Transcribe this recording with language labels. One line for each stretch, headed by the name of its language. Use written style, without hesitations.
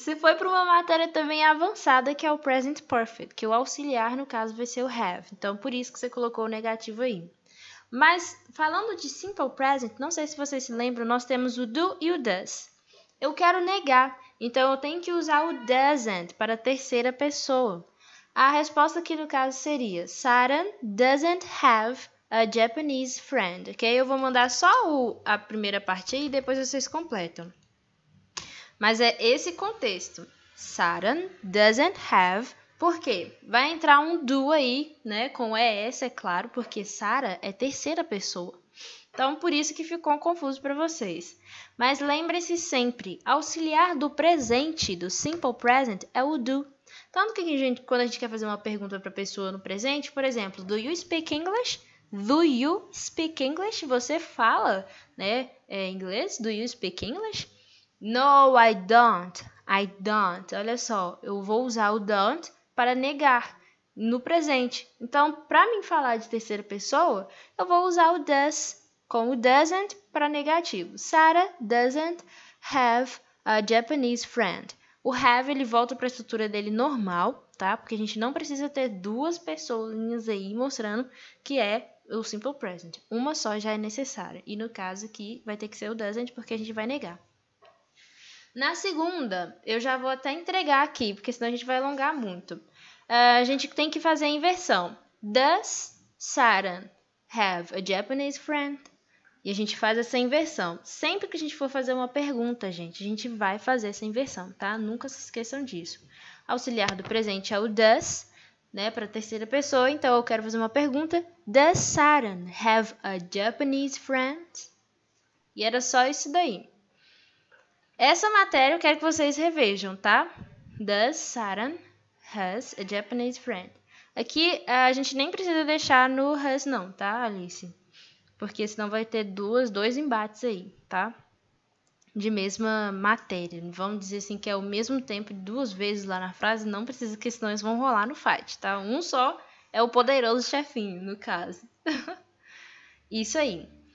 Portuguese: Você foi para uma matéria também avançada, que é o Present Perfect, que o auxiliar, no caso, vai ser o have. Então, por isso que você colocou o negativo aí. Mas, falando de Simple Present, não sei se vocês se lembram, nós temos o do e o does. Eu quero negar, então eu tenho que usar o doesn't para a terceira pessoa. A resposta aqui no caso seria, Saran doesn't have a Japanese friend. Ok? Eu vou mandar só a primeira parte aí e depois vocês completam. Mas é esse contexto. Saran doesn't have, por quê? Vai entrar um do aí, né? Com es, é claro, porque Sara é terceira pessoa. Então, por isso que ficou confuso para vocês. Mas lembre-se sempre, auxiliar do presente, do simple present, é o do. Tanto que quando a gente quer fazer uma pergunta para a pessoa no presente, por exemplo, do you speak English? Do you speak English? Você fala, né, em inglês?
English: Do you speak English? No, I don't. I don't.
Portuguese: Olha só, eu vou usar o don't para negar. No presente. Então, para mim falar de terceira pessoa, eu vou usar o does com o doesn't para negativo.
English: Sarah doesn't have a Japanese friend.
Portuguese: O have, ele volta para a estrutura dele normal, tá? Porque a gente não precisa ter duas pessoinhas aí mostrando que é o simple present. Uma só já é necessária. E no caso aqui, vai ter que ser o doesn't porque a gente vai negar. Na segunda, eu já vou até entregar aqui, porque senão a gente vai alongar muito. A gente tem que fazer a inversão.
English: Does Saran have a Japanese friend?
Portuguese: E a gente faz essa inversão. Sempre que a gente for fazer uma pergunta, gente, a gente vai fazer essa inversão, tá? Nunca se esqueçam disso. Auxiliar do presente é o does, né? Para a terceira pessoa. Então, eu quero fazer uma pergunta.
English: Does Saran have a Japanese friend?
Portuguese: E era só isso daí. Essa matéria eu quero que vocês revejam, tá?
English: Does Saran has a Japanese friend.
Portuguese: Aqui a gente nem precisa deixar no has não, tá, Alice? Porque senão vai ter dois embates aí, tá? De mesma matéria. Vamos dizer assim que é o mesmo tempo duas vezes lá na frase. Não precisa que senão eles vão rolar no fight, tá? Um só é o poderoso chefinho, no caso. Isso aí.